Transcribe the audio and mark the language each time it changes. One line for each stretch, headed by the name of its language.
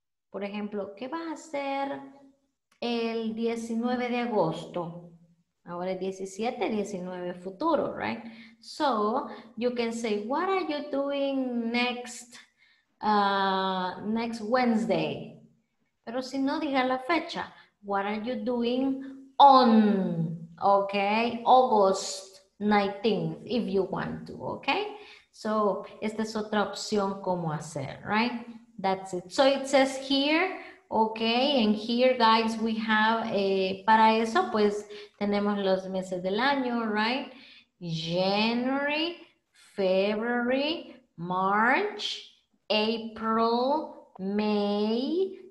Spanish: Por ejemplo, ¿qué vas a hacer el 19 de agosto? Ahora es 17, 19 futuro,
English: right? So, you can say, what are you doing next Wednesday?
Spanish: Pero si no, diga la fecha.
English: What are you doing on, okay, August 19th, if you want to, okay? So,
Spanish: esta es otra opción cómo hacer,
English: right? That's it. So, it says here, okay, and here, guys, we have,
Spanish: para eso, pues, tenemos los meses del año,
English: right? January, February, March, April, May,